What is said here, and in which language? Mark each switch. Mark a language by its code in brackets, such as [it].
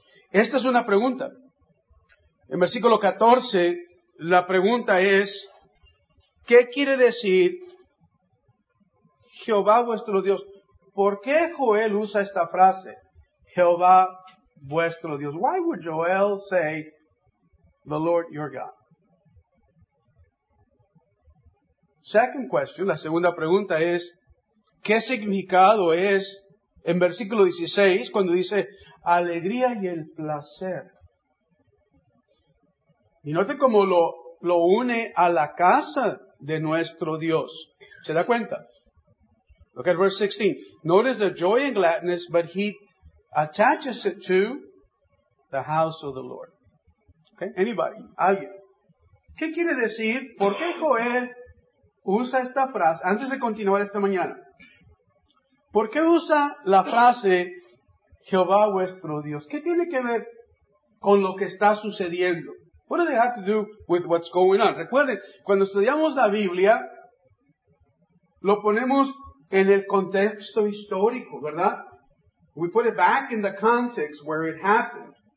[es] Esta es una pregunta. En versículo 14, la pregunta es, ¿qué quiere decir Jehová vuestro Dios? ¿Por qué Joel usa esta frase, Jehová vuestro Dios? [en] Why would Joel say, the Lord your God? Second question, [es] la segunda pregunta es, ¿qué significado es en versículo 16 cuando dice, alegría y el placer? Y note cómo lo une a la casa de nuestro Dios. ¿Se da cuenta? [en] Look at verse 16. Notice the joy and gladness, but he attaches it to the house of the Lord. [es] Okay? [en] Anybody? [es] Alguien? ¿Qué quiere decir? ¿Por qué Joel usa esta frase? Antes de continuar esta mañana. ¿Por qué usa la frase Jehová vuestro Dios? ¿Qué tiene que ver con lo que está sucediendo? [en] What do they have to do with what's going on? [es] Recuerden, cuando estudiamos la Biblia, lo ponemos en el contexto histórico, ¿verdad? [en] We put it back in the context where it happened.